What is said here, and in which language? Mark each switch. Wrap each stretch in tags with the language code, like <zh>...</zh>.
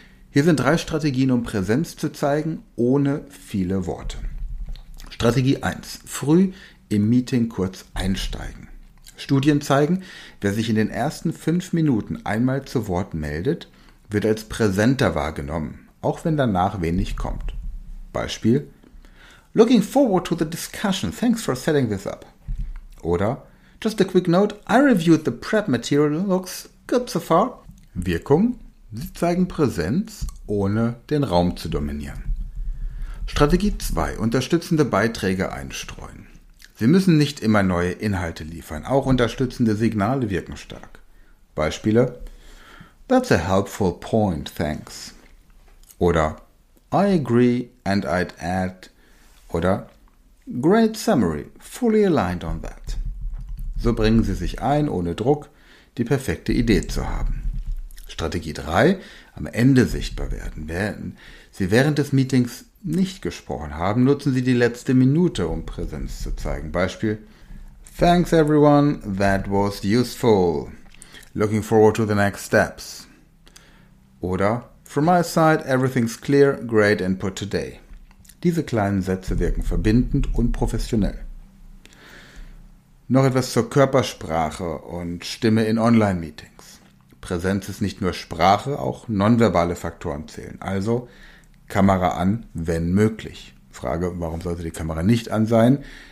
<de>Hier sind drei Strategien, um Präsenz zu zeigen, ohne viele Worte. Strategie 1. Früh im Meeting kurz einsteigen. Studien zeigen, wer sich in den ersten 5 Minuten einmal zu Wort meldet, wird als präsenter wahrgenommen, auch wenn danach wenig kommt. Beispiel:</de> <en>Looking forward to the discussion. Thanks for setting this up.</en> <de>Oder:</de> <en>Just a quick note. I reviewed the prep material. Looks good so far.</en> <de>Wirkung: Sie zeigen Präsenz, ohne den Raum zu dominieren. Strategie 2. Unterstützende Beiträge einstreuen. Sie müssen nicht immer neue Inhalte liefern. Auch unterstützende Signale wirken stark. Beispiele:</de> <en>That's a helpful point. Thanks.</en> <de>Oder:</de> <en>I agree and I'd add. Oder: Great summary. Fully aligned on that.</en> <de>So bringen Sie sich ein, ohne Druck, die perfekte Idee zu haben. Strategie 3. Am Ende sichtbar werden. Wenn Sie während des Meetings nicht gesprochen haben, nutzen Sie die letzte Minute, um Präsenz zu zeigen. Beispiel:</de> <en>Thanks everyone, that was useful. Looking forward to the next steps.</en> <de>Oder:</de> <en>From my side, everything's clear, great input today.</en> <de>Diese kleinen Sätze wirken verbindend und professionell. Noch etwas zur Körpersprache und Stimme in Online-Meetings. Präsenz ist nicht nur Sprache, auch nonverbale Faktoren zählen. Also Kamera an, wenn möglich. Frage, warum sollte die Kamera nicht an sein?</de>